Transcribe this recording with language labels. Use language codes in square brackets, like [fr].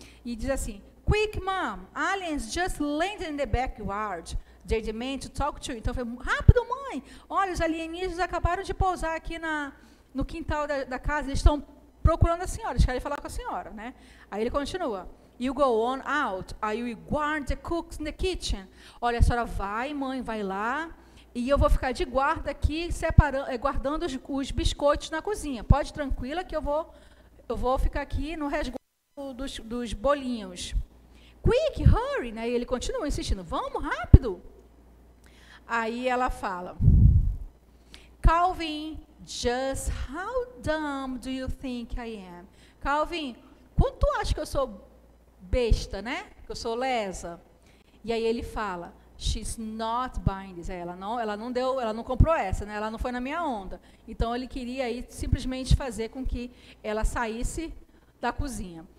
[pt] E diz assim: [en] "Quick, mom, aliens just landed in the backyard. They demand to talk to you." [pt] Então, foi rápido, mãe. Olha, os alienígenas acabaram de pousar aqui no quintal da casa. Eles estão procurando a senhora. Eles querem falar com a senhora, né? Aí ele continua: [en] "You go on out. I will guard the cooks in the kitchen." [pt] Olha, a senhora vai, mãe, vai lá. E eu vou ficar de guarda aqui, guardando os biscoitos na cozinha. Pode, tranquila, que eu vou ficar aqui no resguardo dos bolinhos. [en] "Quick, hurry." [pt] Né? E ele continua insistindo: "Vamos, rápido." Aí ela fala: [en] "Calvin, just how dumb do you think I am?" [pt] Calvin, quanto acha que eu sou besta, né? Que eu sou lesa. E aí ele fala: [en] "She's not buying this." [pt] Ela não comprou essa, né? Ela não foi na minha onda. Então ele queria aí simplesmente fazer com que ela saísse da cozinha.